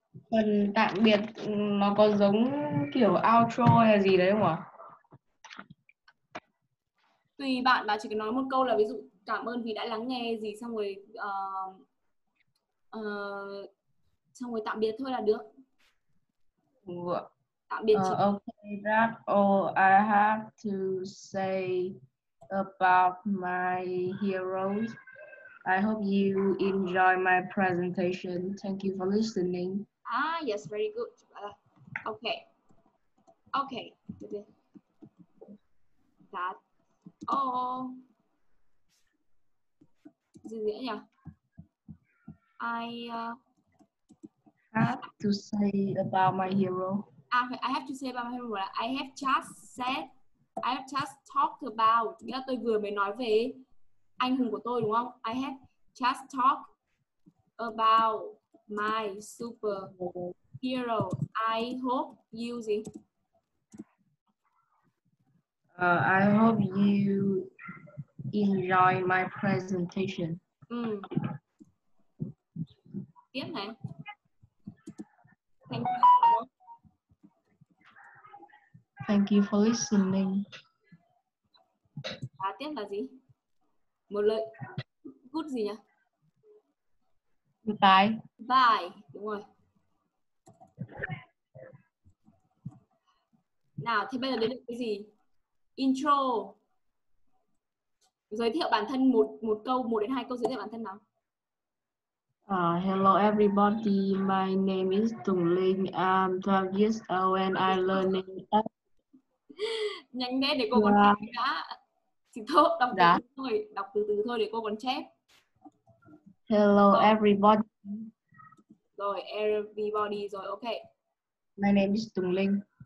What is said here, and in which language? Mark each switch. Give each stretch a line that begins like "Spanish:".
Vietnamese: Phần tạm biệt nó có giống kiểu outro hay gì đấy không ạ? Tùy bạn, bà chỉ cần nói một câu là ví dụ cảm ơn vì đã lắng nghe gì, xong rồi tạm biệt thôi là được. Tạm biệt chị.
English: Okay, that's all I have to say about my heroes. I hope you enjoy my presentation. Thank you for listening. Ah, yes, very good. Okay. Okay. That. Oh,
Vietnamese: gì dễ nhỉ?
English: I have to say about my hero. I have to say about my hero. I have just talked about.
Vietnamese: Nghĩa là tôi vừa mới nói về anh hùng của tôi, đúng không?
English: I have just talked about my superhero. I hope you see. I hope you enjoy my presentation.
Vietnamese: Tiếp này.
English: Thank you for listening.
Vietnamese: À, tiếp là gì? Một lời good gì nhỉ?
English: Bye. Bye.
Vietnamese: Đúng rồi. Nào, thì bây giờ đến được cái gì? Intro. Giới thiệu bản thân một câu, một đến hai câu giới thiệu bản thân nào?
English: Hello everybody, my name is Tùng Linh, I'm 12 years old and I learn in
Vietnamese: nhanh nghe để cô còn chép đã. Chỉ thôi, đọc từ từ thôi, đọc từ từ thôi để cô còn chép.
English: Hello everybody.
Vietnamese: Rồi, everybody, rồi ok.
English: My name is Tùng Linh.